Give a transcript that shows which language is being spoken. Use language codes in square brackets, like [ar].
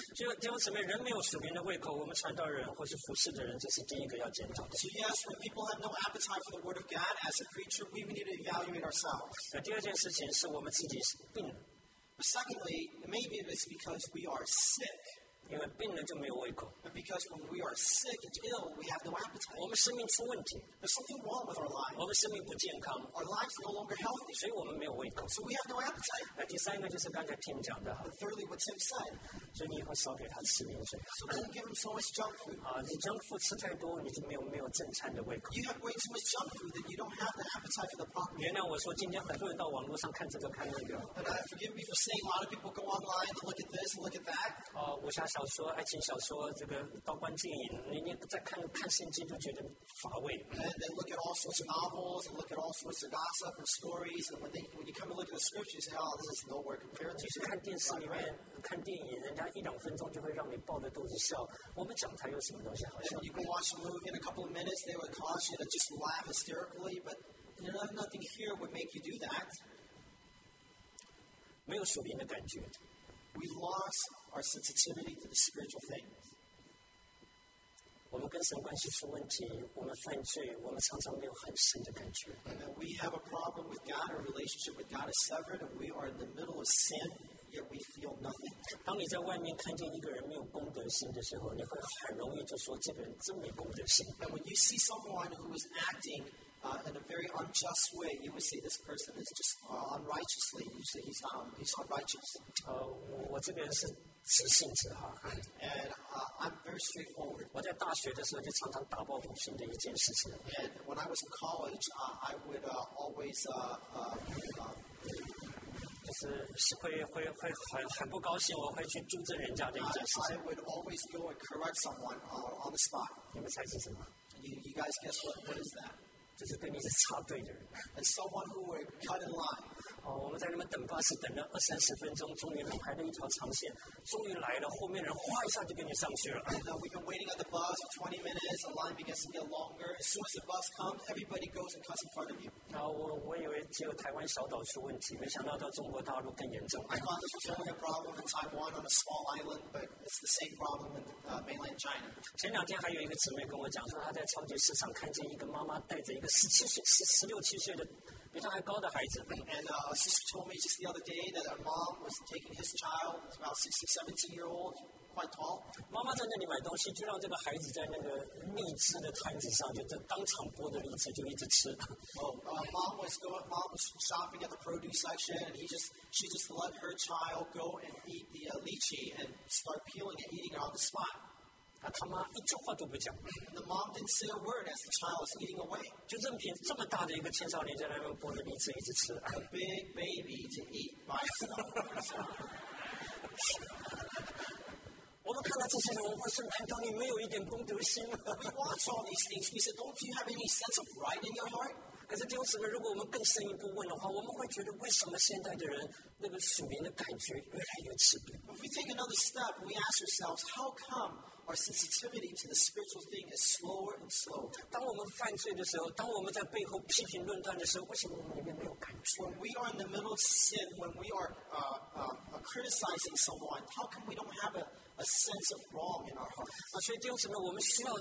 [zh] 就弟兄姊妹，人没有属灵的胃口，我们传道人或是服事的人，这是第一个要检讨的。 [en] So yes, when people have no appetite for the Word of God as a preacher, we need to evaluate ourselves. [zh] 那第二件事情是我们自己是病。 [en] But secondly, maybe it's because we are sick. [zh] 因为病了就没有胃口。 [en] And because when we are sick and ill, we have no appetite. [zh] 我们生命出问题。 [en] There's something wrong with our lives. [zh] 我们生命不健康。 [en] Our lives no longer healthy. [zh] 所以我们没有胃口。 [en] So we have no appetite. [zh] 那第三个就是刚才 Tim 讲的。 [en] But thirdly, what Tim said. [zh] 所以你以后少给他吃零食。 [en] So don't give him so much junk food. [zh] 你 junk food 吃太多，你就没有正餐的胃口。 [en] You have way too much junk food that you don't have the appetite for the proper. [zh] 原谅我说，今天很多人到网络上看这个看那个。 [en] But forgive me for saying a lot of people go online to look at this and look at that. [zh] 武侠小说、爱情小说，这个刀光剑影，你再看圣经就觉得乏味。 [en] And then look at all sorts of novels and look at all sorts of gossip and stories. And when you come and look at the scriptures, you say, "Oh, this is nowhere compared to." [zh] 就是看电视里面看电影，人家一两分钟就会让你抱着肚子笑。我们讲台有什么东西好笑 [en] ？You can watch a movie in a couple of minutes. They would cause you to just laugh hysterically, but nothing here would make you do that. [zh] 没有属灵的感觉。 [en] We lost our sensitivity to the spiritual things. [zh] 我们跟神关系出问题，我们犯罪，我们常常没有很深的感觉。 [en] And we have a problem with God. Our relationship with God is severed, and we are in the middle of sin. Yet we feel nothing. [zh] 当你在外面看见一个人没有功德心的时候，你会很容易就说这个人真没功德心。 [en] And when you see someone who is acting in a very unjust way, you would say this person is just unrighteously. You say he's unrighteous. [zh] 我这个人是直性子哈。 [en] And I'm very straightforward. [zh] 我在大学的时候就常常打抱不平的一件事情。 [en] And when I was in college, I would always [zh] 很不高兴，我会去纠正人家的一件事情。 [en] I would always go and correct someone on the spot. [zh] 你们猜是什么 [en] ？You guys guess what is that? [zh] 就是跟你是插队的人 [en] ，and someone who were cut in line。 [zh] 哦，我们在那边等巴士，等了二三十分钟，终于排了一条长线，终于来了，后面人哗一下就跟你上去了。 [en] And we've been waiting at the bus for 20 minutes. The line begins to get longer. As soon as the bus comes, everybody goes and cuts in front of you. [zh] 然后我以为只有台湾小岛出问题，没想到到中国大陆更严重。 [en] I thought this was only a problem in Taiwan on a small island, but it's the same problem in mainland China. [zh] 前两天还有一个姊妹跟我讲说，她在超级市场看见一个妈妈带着一个16、17岁的。比他还高的孩子。 [en] And a sister told me just the other day that a mom was taking his child, about 16-17-year-old, quite tall. 妈妈在那里买东西，就让这个孩子在那个荔枝的摊子上，就当场剥着荔枝就一直吃。 Mom was shopping at the produce section, and she just let her child go and eat the lychee and start peeling and eating it on the spot. The mom didn't say a word as the child was eating away. A big baby to eat by itself. We watch all these things. We said, don't you have any sense of right in your heart? [zh] 可是弟兄姊妹，如果我们更深一步问的话，我们会觉得为什么现代的人那个属灵的感觉越来越迟钝？ [en] If we take another step, we ask ourselves, how come our sensitivity to the spiritual thing is slower and slower? [zh] 当我们犯罪的时候，当我们在背后批评论断的时候，为什么我们里面没有感觉？ [en] When we are in the middle of sin, when we are criticizing someone, how come we don't have a sense of wrong in our heart.